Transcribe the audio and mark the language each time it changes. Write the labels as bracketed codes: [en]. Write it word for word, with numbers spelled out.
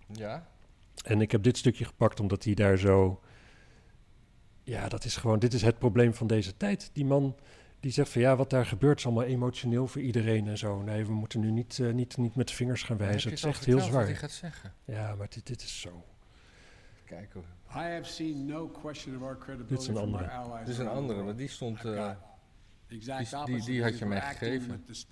[nl] Ja. En ik heb dit stukje gepakt omdat hij daar zo... Ja, dat is gewoon... Dit is het probleem van deze tijd. Die man die zegt van ja, wat daar gebeurt is allemaal emotioneel voor iedereen en zo. Nee, we moeten nu niet, uh, niet, niet met de vingers gaan wijzen. Het is echt heel zwaar. Hij gaat zeggen. Ja, maar dit, dit is zo... Kijk hoor. [en] I have seen no question of our credibility from our allies. [nl] Dit is een andere, want die stond, uh, die, die, die had je mij gegeven.